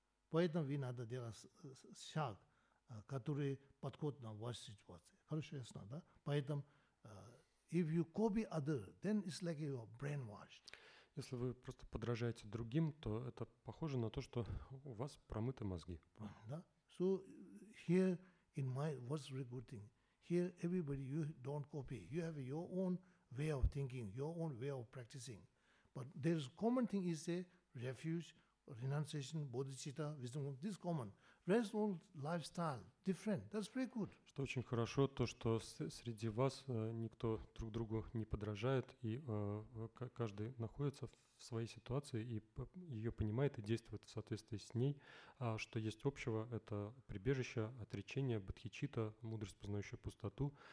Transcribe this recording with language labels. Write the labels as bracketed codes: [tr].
[ru] Поэтому вы надо делать шаг, который подходит на вашу ситуацию. Хорошо, ясно, да? Поэтому, [en] if you copy other, then it's like you are brainwashed. [ru] Если вы просто подражаете другим, то это похоже на то, что у вас промыты мозги. Да? [en] So, here... In my what's very good thing here, everybody you don't copy. You have your own way of thinking, your own way of practicing. But there's common thing is a refuge, renunciation, bodhicitta, wisdom. This is common. Rest all lifestyle different. That's very good. [ru] Что очень хорошо то, что среди вас никто друг другу не подражает и каждый находится в своей ситуации и ее понимает и действует в соответствии с ней. А что есть общего, это прибежище, отречение, бодхичитта, мудрость, познающая пустоту.